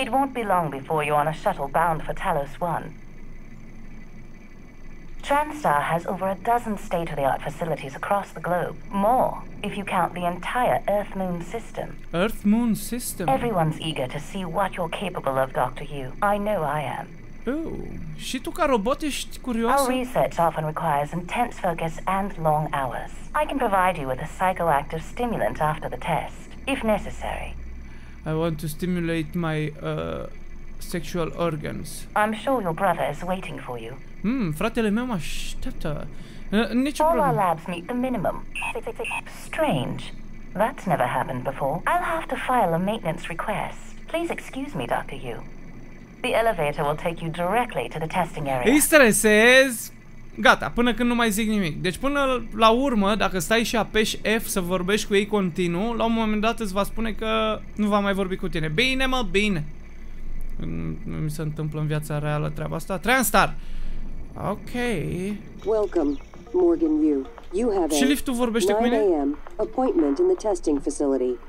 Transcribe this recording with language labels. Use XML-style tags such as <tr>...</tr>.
<en>It won't be long before you're on a shuttle bound for Talos 1. Transtar has over a dozen state-of-the-art facilities across the globe. More, if you count the entire Earth-Moon system. Earth-Moon system? Everyone's eager to see what you're capable of, Dr. Yu. I know I am.</en> <ro>Oh, și tu ca robot ești curioasă?</ro> <en>Our research often requires intense focus and long hours. I can provide you with a psychoactive stimulant after the test, if necessary. I want to stimulate my sexual organs. I'm sure your brother is waiting for you.</en> <ro>Hmm, fratele meu mă așteaptă.</ro> <en>All our labs meet the minimum. Strange. That's never happened before. I'll have to file a maintenance request. Please excuse me, Dr. Yu. The elevator will take you directly to the testing area.</en> <ro>Îi stresez. Gata, până când nu mai zic nimic. Deci până la urmă, dacă stai și apeși F să vorbești cu ei continuu, la un moment dat îți va spune că nu va mai vorbi cu tine. Bine, mă, bine. Nu mi se întâmplă în viața reală treaba asta. Transtar. Ok.</ro> <en>Welcome, Morgan Yu. You have</en> <ro>și liftul vorbește cu mine?</ro> <en>Appointment in the testing facility.</en>